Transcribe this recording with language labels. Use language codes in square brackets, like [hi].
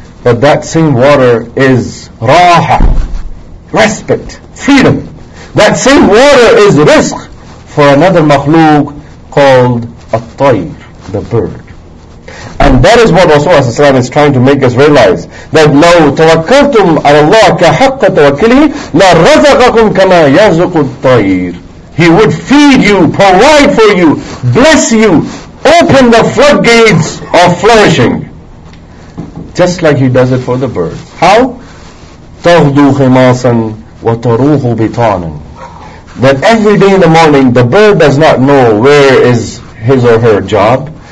[en] But that same water is raha, respite, freedom. That same water is rizq for another makhluq called at-tayr, the bird. And that is what Rasulullah is trying to make us realize. That [ar] لو توكلتم على الله كحق توكله لرزقكم كما يرزق الطير. [en] He would feed you, provide for you, bless you, open the floodgates of flourishing. Just like he does it for the bird. How? [ar] تغدو خماسا وتروح بطانا. [en] That every day in the morning, the bird does not know where is his or her job.